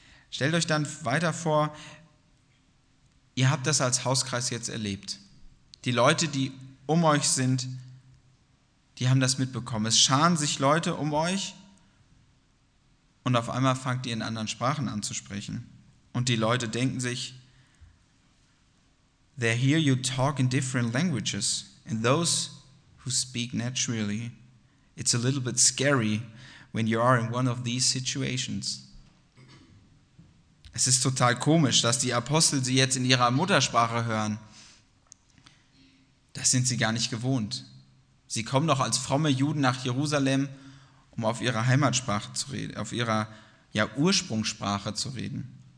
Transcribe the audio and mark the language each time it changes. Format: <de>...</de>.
<de>Stellt euch dann weiter vor, ihr habt das als Hauskreis jetzt erlebt. Die Leute, die um euch sind, die haben das mitbekommen. Es scharen sich Leute um euch und auf einmal fangt ihr in anderen Sprachen an zu sprechen. Und die Leute denken sich,</de> <en>they hear you talk in different languages and those who speak naturally. It's a little bit scary when you are in one of these situations.</en> <de>Es ist total komisch, dass die Apostel sie jetzt in ihrer Muttersprache hören. Das sind sie gar nicht gewohnt. Sie kommen doch als fromme Juden nach Jerusalem, um auf ihrer Heimatsprache zu reden, auf ihrer Ursprungssprache zu reden.</de>